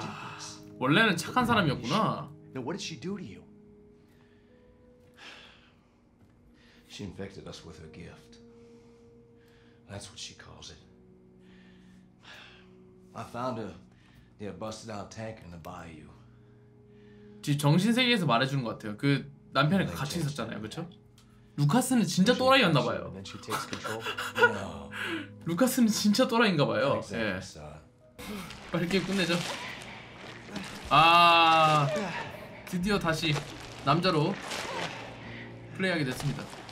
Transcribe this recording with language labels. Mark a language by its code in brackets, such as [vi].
[ko] 아, 원래는 착한 사람이었구나. [en] Now what did she do to you? She infected us with her gift. That's what she calls it. I found her near busted out tank in the bayou. [ko] 지 정신 세계에서 말해주는 것 같아요. 그 남편이 같이 있었잖아요, 그렇죠? 루카스는 진짜 또라이였나 봐요. 루카스는 진짜 또라이인가 봐요. 예. 빨리 게임 끝내죠. 아, 드디어 다시 남자로 플레이하게 됐습니다.